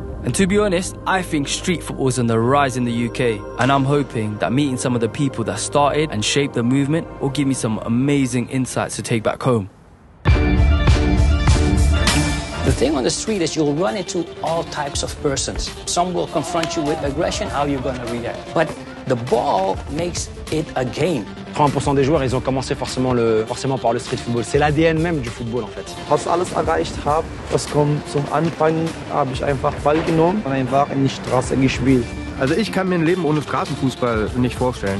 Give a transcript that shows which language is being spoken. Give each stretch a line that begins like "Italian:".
English: And to be honest, I think street football is on the rise in the UK, and I'm hoping that meeting some of the people that started and shaped the movement will give me some amazing insights to take back home. The thing on the street is you'll run into all types of persons. Some will confront you with aggression, how are you going to react? But the ball makes it a game.
French: 30% des joueurs, ils ont commencé forcément par le street football. C'est l'ADN même du football, en fait.
German: Was alles erreicht habe, das kommt zum Anfang, habe ich einfach Ball genommen und einfach in die Straße gespielt. Also ich kann mir ein Leben ohne Straßenfußball nicht vorstellen.